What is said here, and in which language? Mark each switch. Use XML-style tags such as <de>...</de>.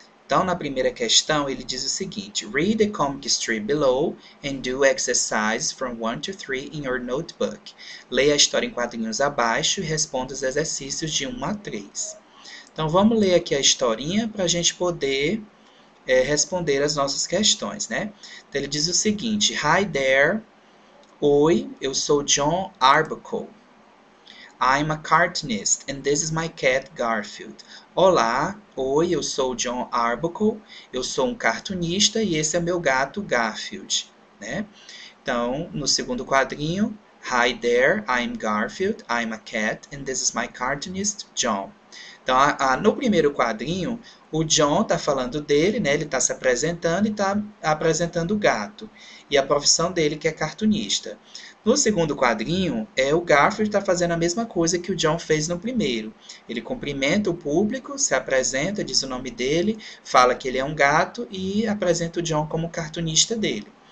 <pt>Então, na primeira questão, ele diz o seguinte:</pt> <en>Read the comic strip below and do exercises from 1 to 3 in your notebook.</en> <pt>Leia a história em quadrinhos abaixo e responda os exercícios de 1 a 3. Então vamos ler aqui a historinha para a gente poder responder às nossas questões, né? Então ele diz o seguinte:</pt> <en>Hi there.</en> <pt>Oi, eu sou John Arbuckle.</pt> <en>I'm a cartoonist and this is my cat Garfield.</en> <pt>Olá, oi, eu sou John Arbuckle. Eu sou um cartunista e esse é meu gato Garfield, né? Então, no segundo quadrinho,</pt> <en>Hi there, I'm Garfield. I'm a cat and this is my cartoonist John.</en> <pt>Então, no primeiro quadrinho, o John está falando dele, né? Ele está se apresentando e está apresentando o gato. E a profissão dele, que é cartunista. No segundo quadrinho, o Garfield está fazendo a mesma coisa que o John fez no primeiro. Ele cumprimenta o público, se apresenta, diz o nome dele, fala que ele é um gato e apresenta o John como cartunista dele.</pt>